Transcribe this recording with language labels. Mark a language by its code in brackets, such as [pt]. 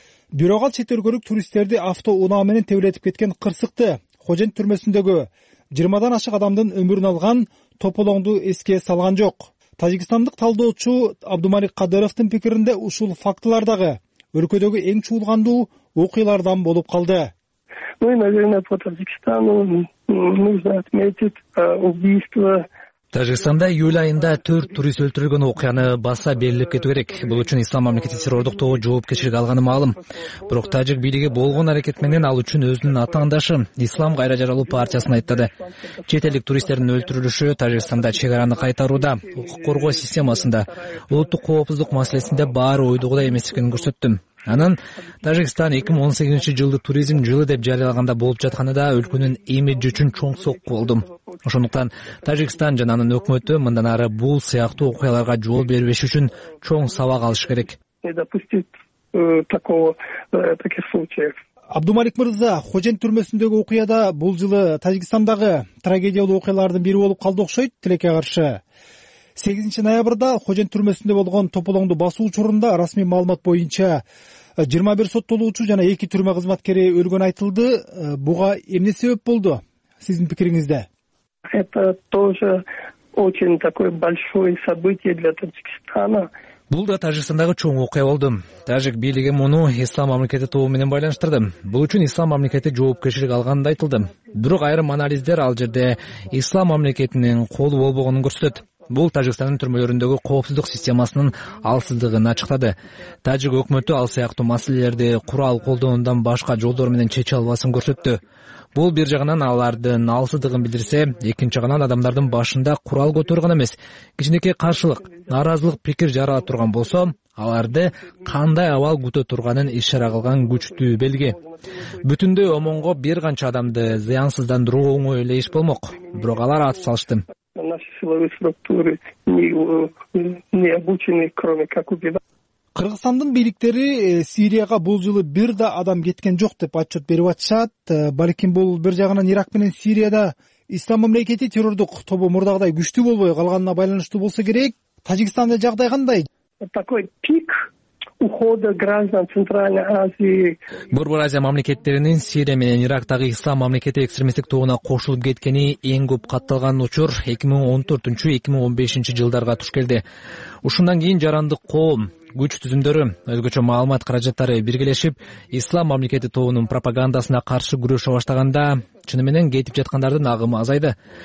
[ky] Бирок ал чет өлкөлүк туристтерди авто унаа менен тебилетип кеткен кырсыкты Хожент түрмөсүндөгү 20 ашык адамдын өмүрүн алган тополоңду эске салган жок. Тажикстандык талдоочу Абдумалик Кадыровдун пикиринде ушул фактылар дагы өлкөдөгү эң чуулгандуу окуялардан болуп калды. [ru] Ну и, наверное, по Таджикистану нужно отметить убийство. [ky] Тажикстанда июль айында 4 турист өлтүрүлгөн окуяны баса берилип кетүү керек. Бул үчүн Ислам мамлекети террордук тобу жоопкерчилик алганы маалым. Бирок тажик бийлиги болгон аракет менен ал үчүн өзүнүн атаандашы Ислам кайра жаралуу партиясын айттады. Чет элдик туристтердин өлтүрүлүшү Тажикстанда чек араны кайтарууда, укук коргоо системасында, улуттук коопсуздук маселесинде баары ойдогудай эмес экенин көрсөттүм. Анан Тажикстан 2018 жылды туризм жылы деп жарыялаганда болуп жатканы да өлкөнүн имиджи үчүн чоң сокку болдум. Ошондуктан Тажикстан жана анын өкмөтү мындан ары бул сыяктуу окуяларга жол бербеш үчүн чоң сабак алыш керек. [ru] Не допустить таких случаев. [ky] Абдумалик мырза, Хожент түрмөсүндөгү окуяда бул жылы Тажикстандагы трагедиялуу окуялардын бири болуп калды окшойт тилекке каршы. 8 ноябрда Хожент түрмөсүндө болгон тополоңду басуу учурунда расмий маалымат боюнча 21 соттолуучу жана 2 түрмө кызматкери өлгөн айтылды. Буга эмне себеп болду сиздин пикириңизде? [ru] Это тоже очень такое большое событие для Таджикистана. [ky] Бул да Тажикстандагы чоң окуя болду. Тажик бийлиги муну Ислам мамлекети тобу менен байланыштырды. Бул үчүн Ислам мамлекети жоопкерчилик алганы айтылды. Бирок айрым анализдер ал жерде Ислам мамлекетинин колу болбогонун көрсөтөт. Бул Тажикстандын түрмөлөрүндөгү коопсуздук системасынын алсыздыгын ачыктады. Тажик өкмөтү ал сыяктуу маселелерди курал колдонуудан башка жолдор менен чече албасын көрсөттү. Бул бир жагынан алардын алсыздыгын билдирсе, экинчи жагынан адамдардын башында курал көтөргөн эмес, кичинекей каршылык, нааразылык пикир жарала турган болсо, аларды кандай абал күтө турганын ишара кылган күчтүү белги. Бүтүндөй омонго бир канча адамды зыянсыздандыруу оңой эле иш болмок, бирок алар ат салышты. [ru] Наши силовые структуры не обучены, кроме как убивать. [ky] Кыргызстандын бийликтери Сирияга бул жылы бир да адам кеткен жок деп отчет берип атышат. Балким бул бир жагынан Ирак менен Сирияда Ислам мамлекети террордук тобу мурдагыдай күчтүү болбой калганына байланыштуу болсо керек. Таджикстанда жагдай кандай? [ru] Такой пик ухода граждан Центральной Азии. [ky] Борбор Азия мамлекеттеринин Сирия менен Ирактагы Ислам мамлекети экстремисттик тобуна кошулуп кеткени эң көп катталган учур 2014-2015 жылдарга туш келди. Ушундан кийин жарандык коом, күч түзүмдөрү, өзгөчө маалымат каражаттары биргелешип, Ислам мамлекети тобунун пропагандасына каршы күрөшө баштаганда, чыны менен кетип жаткандардын агымы азайды.